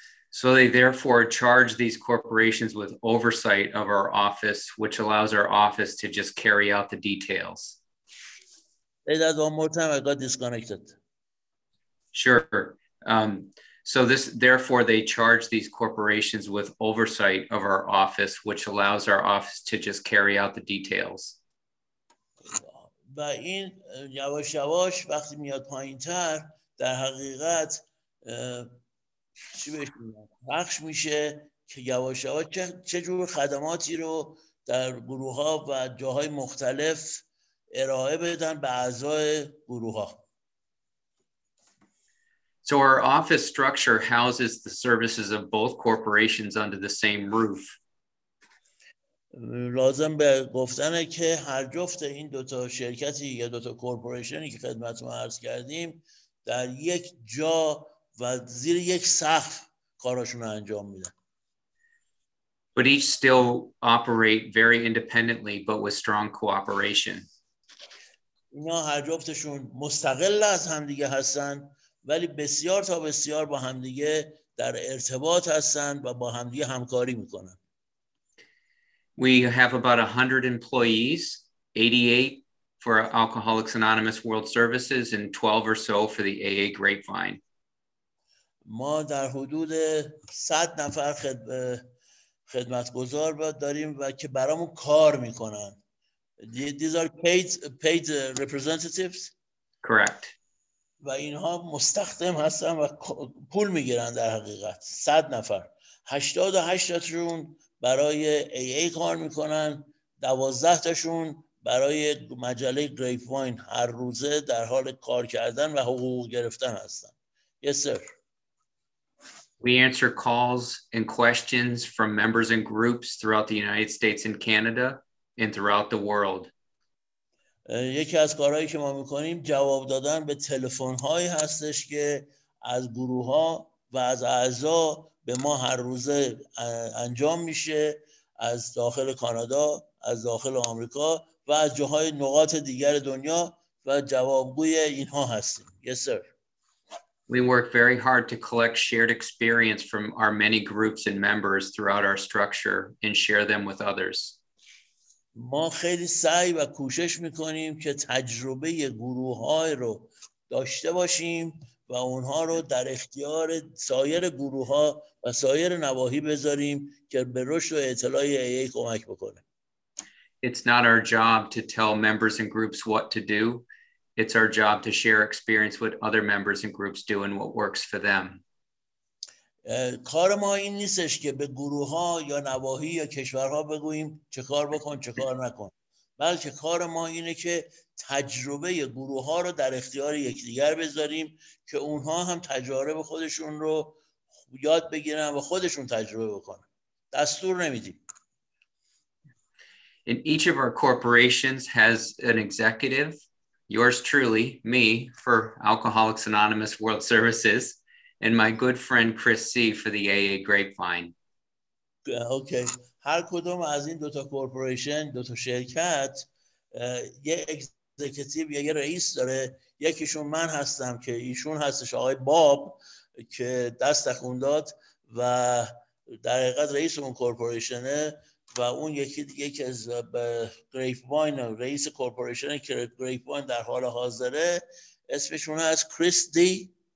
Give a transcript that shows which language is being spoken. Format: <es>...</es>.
<en>So they therefore charge these corporations with oversight of our office, which allows our office to just carry out the details. Say that one more time, I got disconnected. Sure. So this, therefore, they charge these corporations with oversight of our office, which allows our office to just carry out the details.</en> <fa>و این یواش یواش وقتی میاد پایین تر در حقیقت چی بهش بخش میشه که یواش یواش چه جور خدماتی رو در گروه ها و جاهای مختلف ارائه بدن به اعضای گروه ها.</fa> <en>So our office structure houses the services of both corporations under the same roof.</en> <fa>لازم به گفتنه که هر جفت این دو تا شرکتی یا دو تا کورپوریشنی که خدمتتون عرض کردیم در یک جا و زیر یک سقف کاراشون رو انجام میدن.</fa> <en>But each still operate very independently but with strong cooperation.</en> <fa>اینا هر جفتشون مستقل از همدیگه هستن ولی بسیار تا بسیار با همدیگه در ارتباط هستن و با همدیگه همکاری میکنن.</fa> <en>We have about 100 employees, 88 for Alcoholics Anonymous World Services and 12 or so for the AA Grapevine.</en> <fa>ما در حدود 100 نفر خدمتگزار داریم و که برامون کار میکنن.</fa> <en>These are paid representatives? Correct.</en> <fa>و اینها مستخدم هستن و پول میگیرن در حقیقت 100 نفر 88 تاشون برای AA کار میکنن 12 تاشون برای مجله Grapevine هر روزه در حال کار کردن و حقوق گرفتن هستن.</fa> <en>Yes sir. We answer calls and questions from members and groups throughout the United States and Canada and throughout the world.</en> <fa>یکی از کارهایی که ما میکنیم جواب دادن به تلفن‌هایی هستش که از گروه‌ها و از اعضا به ما هر روزه انجام میشه از داخل کانادا، از داخل آمریکا و از جاهای نقاط دیگر دنیا و جوابگوی اینها هستیم.</fa> <en>Yes sir. We work very hard to collect shared experience from our many groups and members throughout our structure and share them with others.</en> <fa>ما خیلی سعی و کوشش میکنیم که تجربه گروه های رو داشته باشیم و اونها رو در اختیار سایر گروه ها و سایر نواحی بذاریم که به رشد و اطلاع AA کمک بکنه.</fa> <en>It's not our job to tell members and groups what to do. It's our job to share experience with other members and groups doing what works for them.</en> <fa>کار ما این نیستش که به گروه ها یا نواحی یا کشورها بگوییم چه کار بکن چه کار نکن، بلکه کار ما اینه که تجربه گروه ها رو در اختیار یکدیگر بذاریم که اونها هم تجارب خودشون رو یاد بگیرن و خودشون تجربه بکنن. دستور نمیدیم.</fa> <en>In each of our corporations has an executive, yours truly, me, for Alcoholics Anonymous World Services, and my good friend Chris C. for the AA Grapevine. Okay.</en> <fa>هر کدوم از این دوتا کورپوریشن، دوتا شرکت، یه اکزیکتیو یا یه رئیس داره. یکیشون من هستم که ایشون هستش، آقای باب، که دست خون داد و در حقیقت رئیس اون کورپوریشنه، و اون یکی دیگه که از گریپ واین، رئیس کورپوریشنه که گریپ واین در حال حاضره، اسمشون هست کریس دی؟</fa>